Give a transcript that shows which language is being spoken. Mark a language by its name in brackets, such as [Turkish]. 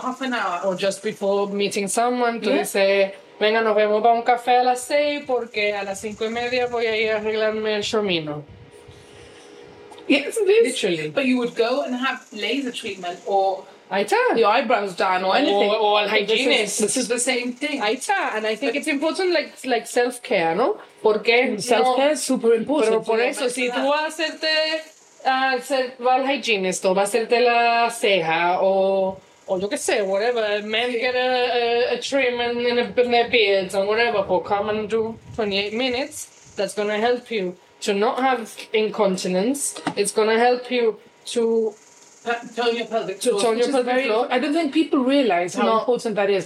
[English] half an hour, or just before meeting someone. Do you say, [Spanish] "Venga, nos vemos para un café a las 6 porque a las 5:30 voy a ir a arreglarme el chomino." [English] Yes, it is. Literally. But you would go and have laser treatment or. Aita. Your eyebrows done or anything. Or hygienist. This is the same thing. Aita. And I think it's important like self-care, no? Porque self-care is super important. [Spanish] Pero por eso, si tú vas a hacerte... va al hygienist o vas a hacerte la ceja o yo qué sé, whatever. [English] Men get a trim in their beards and whatever. Or come and do 28 minutes. That's going to help you to not have incontinence. It's going to help you to... Tone your pelvic floor. I don't think people realize how important that is.